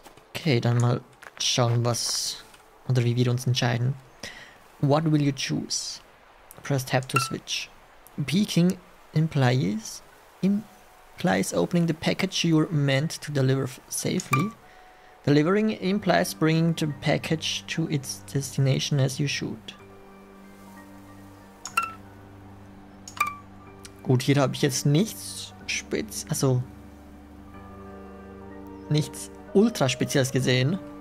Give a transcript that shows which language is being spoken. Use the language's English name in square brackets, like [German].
[German] Okay, dann mal schauen, was oder wie wir uns entscheiden. [English] What will you choose? Press tab to switch. Peeking implies opening the package you're meant to deliver safely. Delivering implies bringing the package to its destination as you should. [German] Gut, hier habe ich jetzt nichts spitz, also nichts ultra spezielles gesehen.